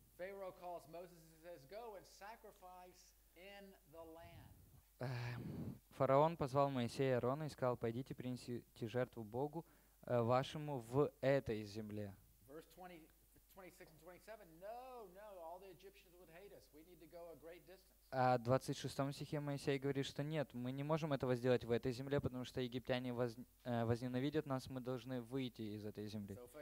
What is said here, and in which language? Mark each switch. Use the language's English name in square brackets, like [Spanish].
[English] Pharaoh calls Moses and says, "Go and sacrifice in the land." [Russian] Фараон позвал Моисея и Аарона и сказал: "Пойдите, принесите жертву Богу вашему в этой земле." [English] Verse 26 and 27. No, no, all the Egyptians would hate us. We need to go a great distance. [Russian] А в 26 стихе Моисей говорит, что нет, мы не можем этого сделать в этой земле, потому что египтяне возненавидят нас, мы должны выйти из этой земли.